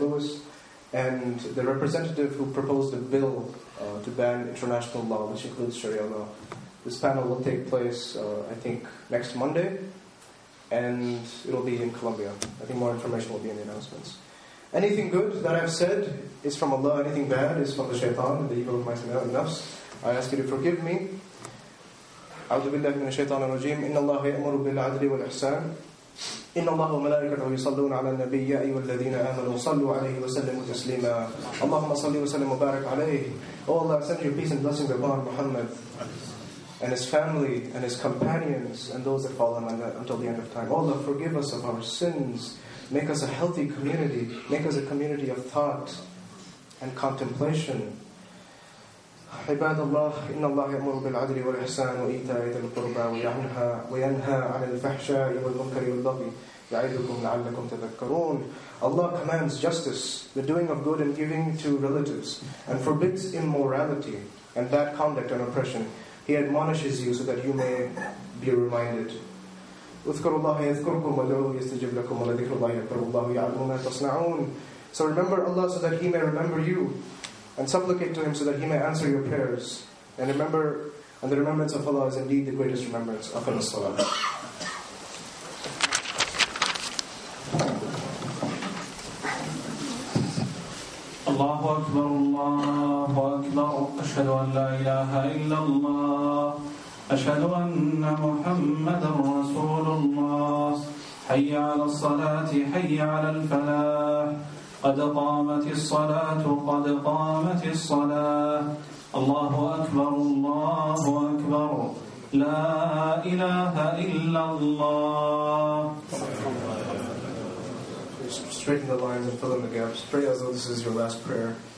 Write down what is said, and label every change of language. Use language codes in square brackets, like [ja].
[en] Louis and the representative who proposed a bill to ban international law, which includes Sharia law. This panel will take place, I think, next Monday. and it'll be in Colombia. I think more information will be in the announcements. Anything good that I've said is from Allah. Anything bad is from the shaitan, the evil of my nafs. I ask you to forgive me. [ar] أعوذ بالله من الشيطان الرجيم إن الله يأمر بالعدل والإحسان إن الله وملائكته يصلون على النبي يا أيها الذين آمنوا صلوا عليه وسلموا تسليما اللهم صل وسلم وبارك عليه. [en] Oh Allah, send your peace and blessings upon Muhammad and his family and his companions and those that follow him until the end of time. Oh Allah, forgive us of our sins. Make us a healthy community. Make us a community of thought and contemplation. [ar] عباد الله إن الله يأمر بالعدل والإحسان وإيتاء ذي القربى وينهى عن الفحشاء والمنكر والبغي يعظكم لعلكم تذكرون. [en] Allah commands justice, the doing of good and giving to relatives, and forbids immorality and bad conduct and oppression. He admonishes you so that you may be reminded. [ar] اذكروا الله يذكركم ودعوه يستجب لكم ولذكر الله أكبر والله يعلم ما تصنعون. [en] So remember Allah so that He may remember you, and supplicate to Him so that He may answer your prayers. And remember, and the remembrance of Allah is indeed the greatest remembrance. [ar] Aqim as-salat. Allahu Akbar, Allahu Akbar. Ashhadu an la ilaha illallah. Ashhadu anna Muhammadan Rasulullah. Hayya ala salati, hayya ala al-falah. قد قامت الصلاة قد قامت الصلاة الله أكبر الله أكبر لا إله إلا الله. [en] Straighten the lines and fill in the gaps. Pray as though this is your last prayer.